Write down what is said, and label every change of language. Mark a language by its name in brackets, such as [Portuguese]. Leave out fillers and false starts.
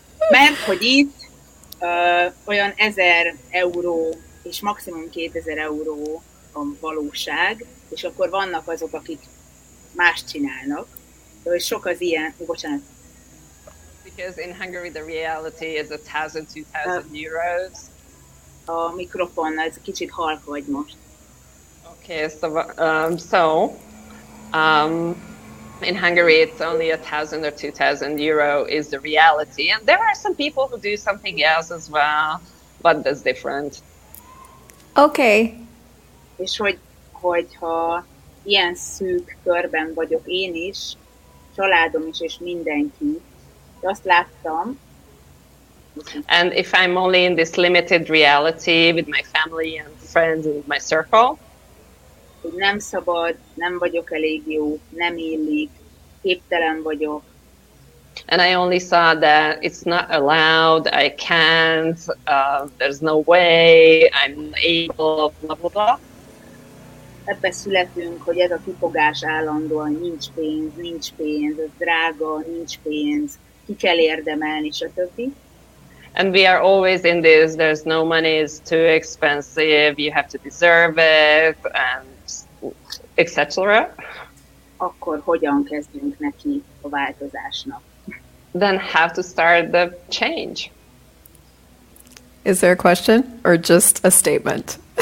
[Hungarian] Mert hogy itt olyan 1000 euró és maximum 2000 euró a valóság, és akkor vannak azok, akik más csinálnak, és sok az ilyen... Bocsánat. [English] Because in Hungary the reality is 1,000, 2,000 euros. [Hungarian] A mikrofon, ez kicsit halk vagy most. [English] Okay, so in Hungary it's only 1,000 or 2,000 euro is the reality. And there are some people who do something else as well, but that's different. Okay. [Hungarian] És hogyha ilyen szűk körben vagyok én is, családom is és mindenki, azt láttam. [English] And if I'm only in this limited reality with my family and friends and my circle, [Hungarian] hogy nem szabad, nem vagyok elég jó, nem illik, képtelen vagyok. [English] And I only saw that it's not allowed, I can't, there's no way, I'm able, blah blah blah. [Hungarian] Ebbe születünk, hogy ez a kifogás állandóan, nincs pénz, nincs pénz, ez drága, nincs pénz. Ki kell érdemelni, stb. [English] And we are always in this, there's no money, it's too expensive, you have to deserve it, and etc. [Hungarian] Akkor hogyan kezdünk neki a változásnak? [English] Then how to start the change? Is there a question or just a statement?